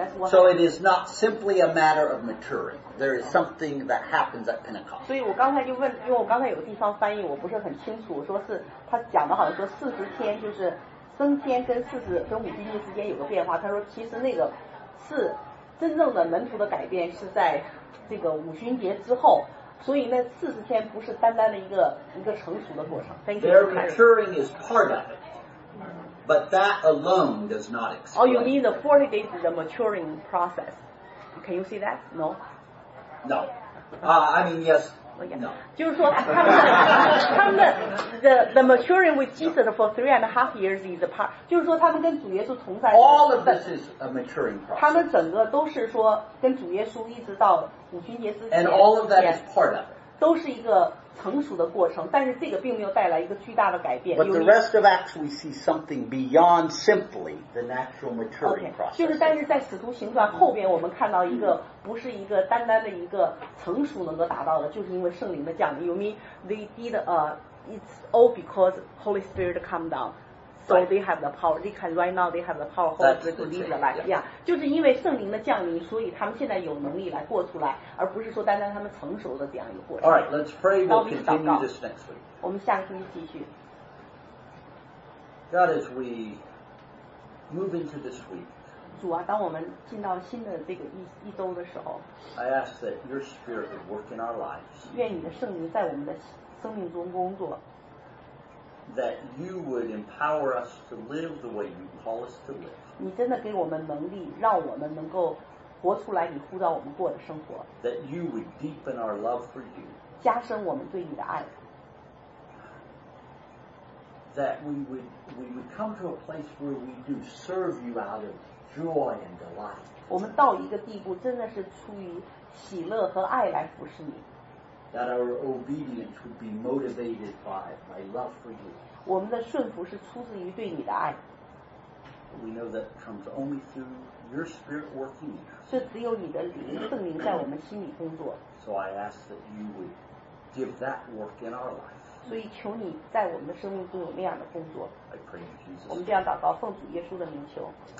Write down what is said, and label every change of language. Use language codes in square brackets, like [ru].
[en] So it is not simply a matter of maturing. There is something that happens at Pentecost. [zh] 所以我刚才就问，因为我刚才有地方翻译我不是很清楚，说是他讲的好像说四十天就是升天跟四十跟五经历之间有个变化。他说其实那个是真正的门徒的改变是在这个五旬节之后。所以那四十天不是单单的一个成熟的过程。 [en] Their maturing is part of it, but that alone does not explain. Oh, you mean the 40 days is the maturing process? Can you see that? No. No. I mean yes. No. [zh] 就是说他们的 [en] the maturing with Jesus for 3.5 years is a part. [zh] 就是说他们跟主耶稣同在。 [en] All of this is a maturing process. [zh] 他们整个都是说跟主耶稣一直到五旬节之前。 [en] And all of that is part of it. [zh] 都是一个成熟的过程，但是这个并没有带来一个巨大的改变。 [en] But the rest of Acts, we see something beyond simply the natural maturing process. [zh] 就是但是在使徒行传后边，我们看到一个。不是一个单单的一个成熟能够达到的，就是因为圣灵的降临。 [en] You mean they did it's all because Holy Spirit come down, so they have the power. They can right now they have the power to live the life. Yeah, [zh] 就是因为圣灵的降临，所以他们现在有能力来过出来，而不是说单单他们成熟的这样一个过程。 [en] All right, let's pray. We'll continue this next week. [zh] 我们下个星期继续。 [en] God, as we move into this week. [zh] 主啊，当我们进到新的这个一周的时候 [en] ，I ask that your spirit would work in our lives. [zh] 愿你的圣灵在我们的生命中工作。 [en] That you would empower us to live the way you call us to live. [zh] 你真的给我们能力，让我们能够活出来你呼召我们过的生活。 [en] That you would deepen our love for you. [zh] 加深我们对你的爱。 [en] That we would come to a place where we do serve you out of. Joy and delight. [zh] 我们到一个地步，真的是出于喜乐和爱来服侍你。 [en] That our obedience would be motivated by my love for you. [zh] 我们的顺服是出自于对你的爱。 [en] We know that comes only through your spirit working in us. [zh] 是只有你的灵圣灵在我们心里工作。 [en] So I ask that you would give that work in our life. [zh] 所以求你在我们的生命中有那样的工作。 [en] I pray in Jesus. [zh] 我们这样祷告，奉主耶稣的名求。